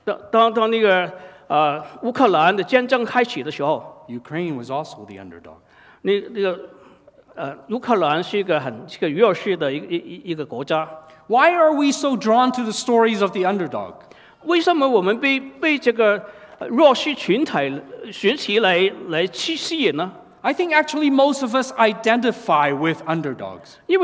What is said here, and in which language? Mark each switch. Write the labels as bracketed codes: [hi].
[zh] 当那个 乌克兰的战争开始的时候, [en] Ukraine was also the underdog. [zh] 乌克兰是一个很弱势的一个国家。 [en] Why are we so drawn to the stories of the underdog? [zh] 为什么我们被这个弱势群体来吸引呢? [en] I think actually most of us identify with underdogs.